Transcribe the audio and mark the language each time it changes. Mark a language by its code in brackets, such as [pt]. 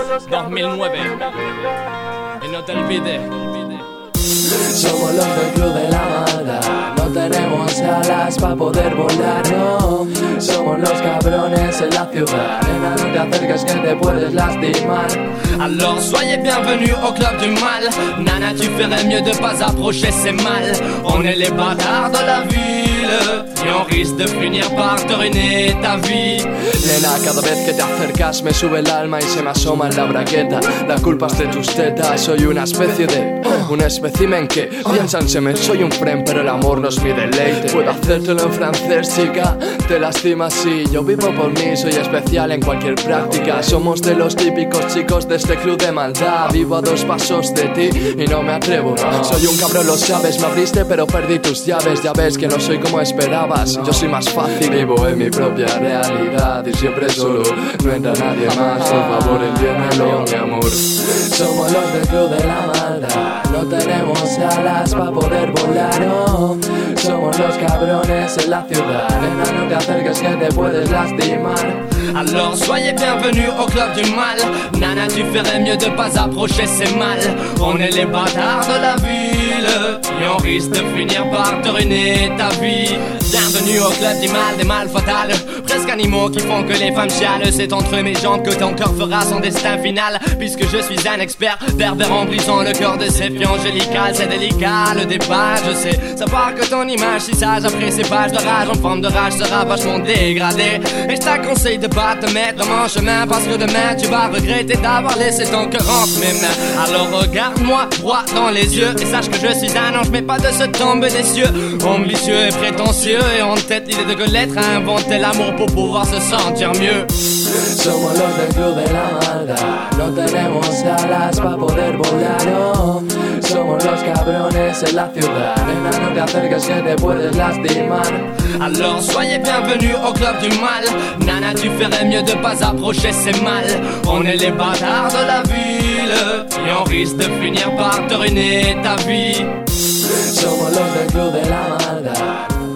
[es] 2009. Y no te olvides. Somos los del club de la manga. No tenemos alas pa' poder volar, no. Somos los cabrones en la ciudad. Nena, no te acerques que te puedes lastimar. [fr] Alors soyez bienvenus au club du mal. Nana, tu ferais mieux de pas approcher ces mal. On est les bâtards de la ville et on risque de finir par te ruiner ta vie. [es] Nena, cada vez que te acercas me sube el alma y se me asoma en la braqueta. La culpa es de tus tetas. Soy una especie de... un espécimen que piénsanseme, soy un fren, pero el amor no es mi deleite. Puedo hacértelo en francés, chica, te lastimas si yo vivo por mí. Soy especial en cualquier práctica. Somos de los típicos chicos de este club de maldad. Vivo a dos pasos de ti y no me atrevo. Soy un cabrón, lo sabes, me abriste pero perdí tus llaves. Ya ves que no soy como esperabas, yo soy más fácil. Vivo en mi propia realidad y siempre solo, no entra nadie más. Por favor, entiéndelo, mi amor. Somos los del club de la maldad. No tenemos alas pa' poder volar, oh. Somos los cabrones en la ciudad. Nena, no te acerques que te puedes lastimar. [fr] Alors soyez bienvenus au club du mal. Nana, tu ferais mieux de pas approcher ces mal. On est les bâtards de la ville et on risque de finir par te ruiner ta vie. Bienvenue au club du mal, des mâles fatales, presque animaux qui font que les femmes chialent. C'est entre mes jambes que ton corps fera son destin final, puisque je suis un expert pervers en brisant le corps de ces filles angélicales. C'est délicat le débat, je sais savoir que ton image si sage après ces pages de rage en forme de rage sera vachement dégradée. Et je t'conseille de pas te mettre dans mon chemin, parce que demain tu vas regretter d'avoir laissé ton cœur entre mes mains. Alors regarde-moi droit dans les yeux et sache que je suis un ange, mais pas de ce tombe des cieux. Ambitieux et prétentieux et en tête l'idée de que l'être a inventé l'amour pour pouvoir se sentir mieux. [es] Somos los del club de la maldad. No tenemos alas pa' poder volar, oh. Somos los cabrones en la ciudad. Nena, no te acerques que te puedes lastimar. Alors soyez bienvenus au club du mal. Nana, tu ferais mieux de pas approcher ces mal. On est les bâtards de la ville et on risque de finir par te ruiner ta vie. Somos los del club de la maldad.